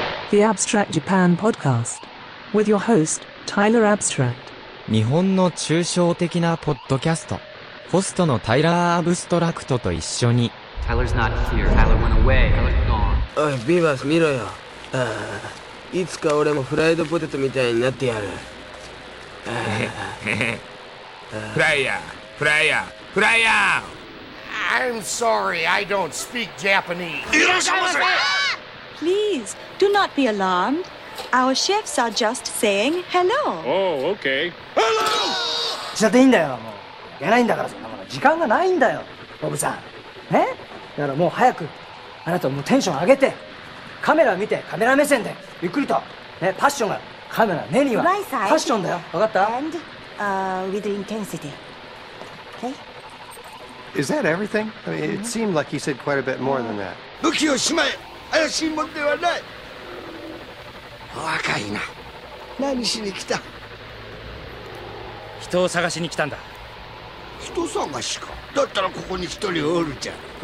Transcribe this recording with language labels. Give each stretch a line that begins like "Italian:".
English: The Abstract Japan Podcast with your host, Tyler Abstract.
Japanese: 日本の抽象的なポッドキャスト、ホストのタイラー・アブストラクトと一緒に。
English: Tyler's not here. Tyler went away. Tyler's gone.
Japanese: おい、ビーバース見ろよ。いつか俺もフライドポテトみたいになってやる。フライヤー、フライヤー、フライヤ
English: ー。 I'm sorry, I don't speak Japanese.
Japanese: いらっしゃいませ。
English: Please, do not be alarmed. Our chefs are just saying hello. Oh, okay. Hello!
Japanese: しちゃっていいんだよ。もう、いけないんだから、そんなもの。時間がないんだよ、ボブさん。ね？だからもう早く、あなたもうテンション上げて、カメラ見て、カメラ目線で、ゆっくりと。ね、パッションが、カメラ、目には。
English: Right side.
Japanese: パッションだよ。わかった
English: And, with intensity. Okay? Is that everything? I mean, it seemed like he said quite a bit more than that.
Japanese: 武器をしまえ怪しいもんではない。若いな。何しに来た？人を探しに来たんだ。人探しか。だったらここに一人おるじゃん。